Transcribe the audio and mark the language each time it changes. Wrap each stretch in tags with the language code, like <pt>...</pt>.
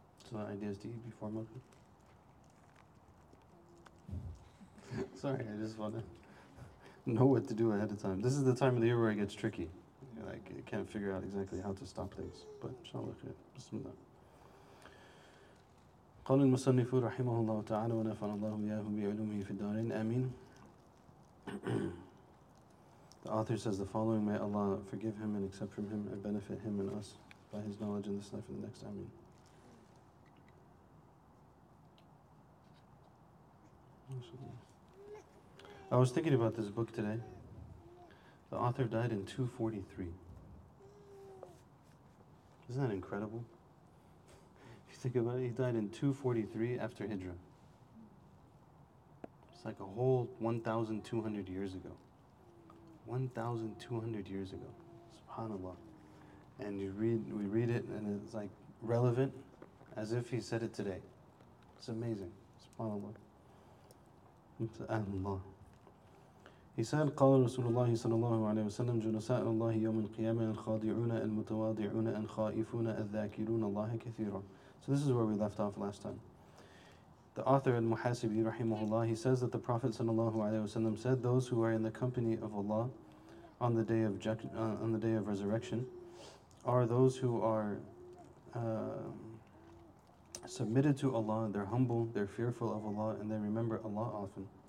<en>So the idea is to eat before Maghrib? Sorry, I just want to know what to do ahead of time. This is the time of the year where it gets tricky. Like, I can't figure out exactly how to stop things. But inshallah, bismillah.</en> <ar>قال المصنف رحمه الله تعالى ونفعنا الله وإياه بعلومه في الدارين آمين.</ar> <en>The author says the following: May Allah forgive him and accept from him and benefit him and us by his knowledge in this life and the next. Amin. I was thinking about this book today. The author died in 243. Isn't that incredible? If you think about it, he died in 243 after Hijra. It's like a whole 1,200 years ago. 1,200 years ago. SubhanAllah. And you read, we read it and it's like relevant as if he said it today. It's amazing. SubhanAllah. SubhanAllah. He said,</en> <ar>قال رسول الله صلى الله عليه وسلم جلساء الله يوم القيامة الخاضعون المتواضعون الخائفون الذاكرون الله كثيرا.</ar> <en>So this is where we left off last time. The author al-Muhasibi rahimahullah, he says that the Prophet</en> <ar>صلى الله عليه وسلم</ar> <en>said, those who are in the company of Allah on the day of on the day of resurrection are those who are submitted to Allah, they're humble, they're fearful of Allah, and they remember Allah often.</en>